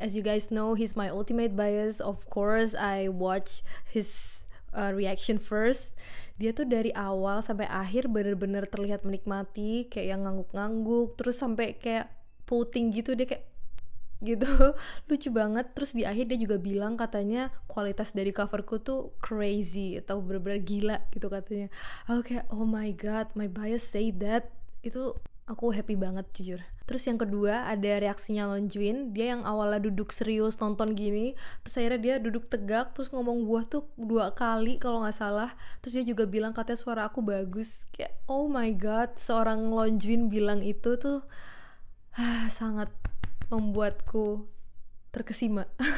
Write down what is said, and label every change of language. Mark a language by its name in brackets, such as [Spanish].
[English] As you guys know, he's my ultimate bias. Of course, I watch his reaction first. [Indonesian] Dia tuh dari awal sampai akhir benar-benar terlihat menikmati, kayak yang ngangguk-ngangguk, terus sampai kayak pouting gitu, dia kayak gitu, lucu banget. Terus di akhir dia juga bilang katanya kualitas dari coverku tuh crazy atau bener-bener gila gitu katanya. Aku kayak, [English] oh my god, my bias say that. [Indonesian] Itu aku happy banget jujur. Terus yang kedua ada reaksinya Lonjuin. Dia yang awalnya duduk serius nonton gini, terus akhirnya dia duduk tegak, terus ngomong buah tuh dua kali kalau gak salah. Terus dia juga bilang katanya suara aku bagus. Kayak, [English] oh my god, [Indonesian] seorang Lonjuin bilang itu tuh sangat membuatku terkesima.